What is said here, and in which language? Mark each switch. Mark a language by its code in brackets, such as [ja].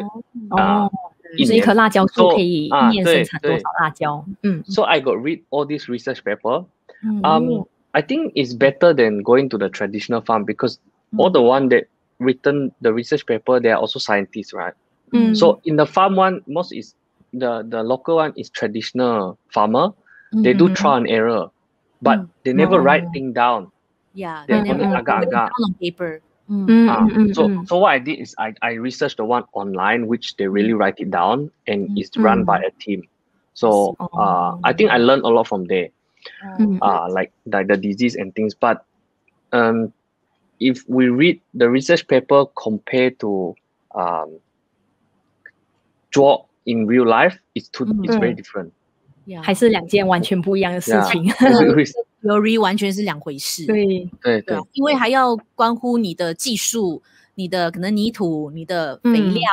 [zh] 就是一颗辣椒树可以一年生产多少辣椒？ [en] So I got read all this research paper. I think it's better than going to the traditional farm because all the one that written the research paper, they are also scientists, right? So in the farm one, most is the local one is traditional farmer. They do trial and error, but they never write thing down. Yeah, they never [ms] agak agak [en] on paper. So what I did is I researched the one online, which they really write it down and is run by a team. So I think I learned a lot from there, like the disease and things. But if we read the research paper compared to draw in real life, it's very different. Yeah, [zh] 还是两件完全不一样的事情。 [en] Yeah, [zh] theory 完全是两回事，对，因为还要关乎你的技术，你的可能泥土，你的肥料，